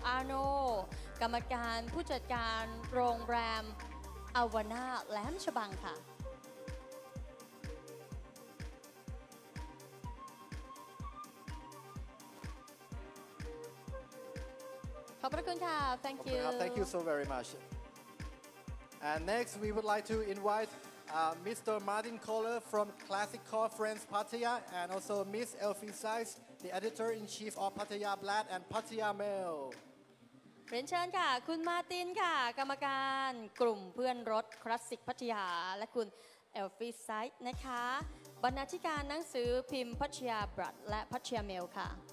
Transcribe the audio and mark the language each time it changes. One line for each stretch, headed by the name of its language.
Thai: Arnold กรรมการผู้จัดการโรงแรมอวนาแหลมฉบังค่ะขอบพระคุณค่ะ
English: thank you thank you so very much and next we would like to invite Mr. Martin Kohler from Classic Car Friends Pattaya and also Miss Elfie Sides the editor in chief of Pattaya Blad and Pattaya Mail
Thai: เรียนเชิญค่ะคุณมาร์ตินค่ะกรรมการกลุ่มเพื่อนรถคลาสสิกพัทยาและคุณเอลฟี่ไซด์นะคะบรรณาธิการหนังสือพิมพ์พัทยาบรัดและพัทยาเมลค่ะ